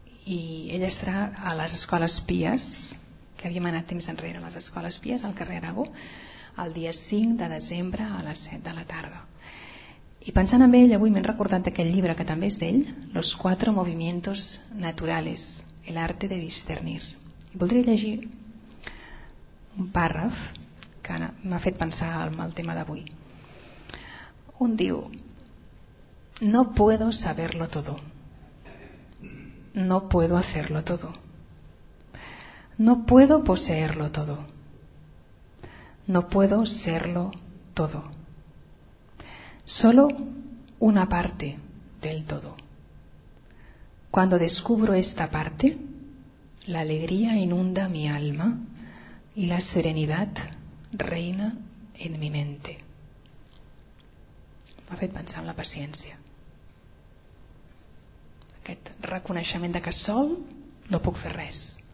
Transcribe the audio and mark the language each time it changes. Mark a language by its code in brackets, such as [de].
[ca] I ella estarà a les escoles Pies, que havíem anat temps enrere, a les escoles Pies, al carrer Aragó, el dia 5 de desembre a les 7 de la tarda. I pensant en ell, avui m'he recordat d'aquell llibre que també és d'ell, Los cuatro movimientos naturales, el arte de discernir. I voldria llegir un pàrraf que m'ha fet pensar en el tema d'avui. Un diu: [es] no puedo saberlo todo. No puedo hacerlo todo. No puedo poseerlo todo. No puedo serlo todo. Solo una parte del todo. Cuando descubro esta parte, la alegría inunda mi alma y la serenidad reina en mi mente. [ca] M'ha fet pensar en la paciència. Aquest reconeixement de que sol no puc fer res.